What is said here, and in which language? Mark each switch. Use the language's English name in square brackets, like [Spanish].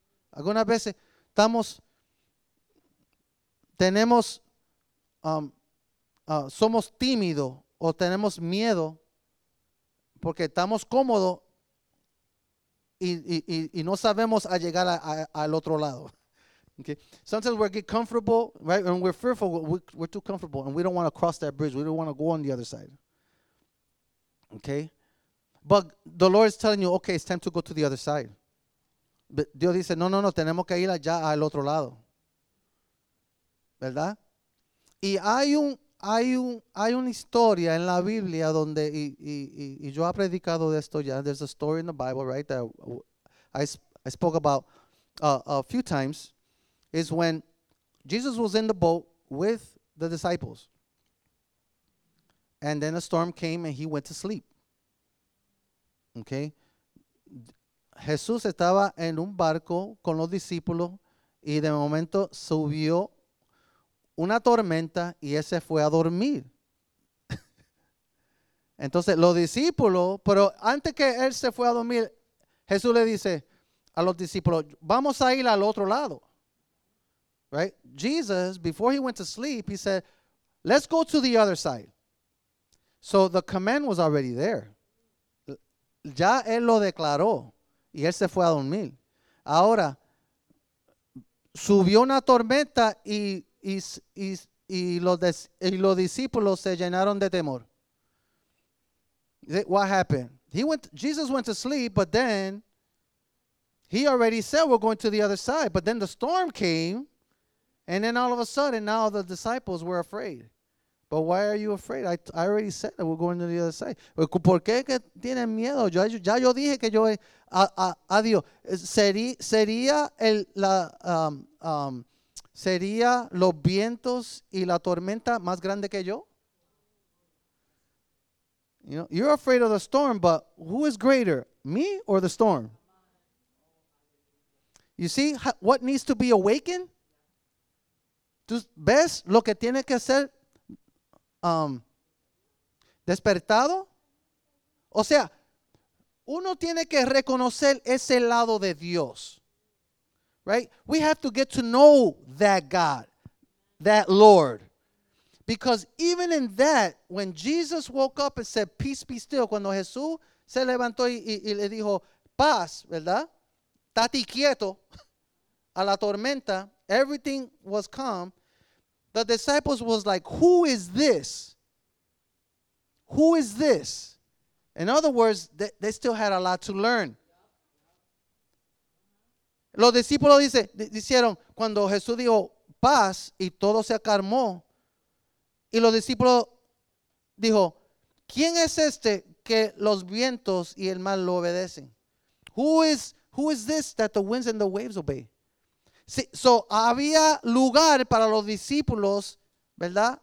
[Spanish] Algunas veces somos tímidos o tenemos miedo porque estamos cómodos y no sabemos a llegar al otro lado. [English] Okay. Sometimes we get comfortable, right? And we're fearful. We're too comfortable, and we don't want to cross that bridge. We don't want to go on the other side. Okay? But the Lord is telling you, okay, it's time to go to the other side. [Spanish] But Dios dice, no, no, no, tenemos que ir allá al otro lado. ¿Verdad? Y hay una historia en la Biblia donde, y yo he predicado de esto ya, [English] there's a story in the Bible, right, that I spoke about a few times. Is when Jesus was in the boat with the disciples. And then a storm came and he went to sleep. Okay? [Spanish] Jesús estaba en un barco con los discípulos y de momento subió una tormenta y ese fue a dormir. Entonces los discípulos, pero antes que él se fue a dormir, Jesús le dice a los discípulos, vamos a ir al otro lado. [English] Right? Jesus, before he went to sleep, he said, let's go to the other side. So the command was already there. [Spanish] Ya él lo declaró. Y él se fue a dormir. Ahora, subió una tormenta y los discípulos se llenaron de temor. [English] What happened? Jesus went to sleep, but then he already said, we're going to the other side. But then the storm came. And then all of a sudden, now the disciples were afraid. But why are you afraid? I already said that we're going to the other side. [Spanish] ¿Por qué que tienen miedo? Ya yo dije que yo a Dios. ¿Sería los vientos y la tormenta más grande que yo? [English] You know, you're afraid of the storm, but who is greater, me or the storm? You see what needs to be awakened? [Spanish] ¿Tú ves lo que tiene que ser despertado? O sea, uno tiene que reconocer ese lado de Dios. [English] Right? We have to get to know that God, that Lord. Because even in that, when Jesus woke up and said, peace be still, [Spanish] cuando Jesús se levantó y le dijo, paz, ¿verdad? estate quieto a la tormenta. [English] Everything was calm. The disciples was like, who is this? Who is this? In other words, they still had a lot to learn. [Spanish] Los discípulos dicieron, cuando Jesús dijo paz y todo se acalmó, y los discípulos dijo, ¿quién es este que los vientos y el mar lo obedecen? [English] Who is this that the winds and the waves obey? [Spanish] Sí, so, había lugar para los discípulos, ¿verdad?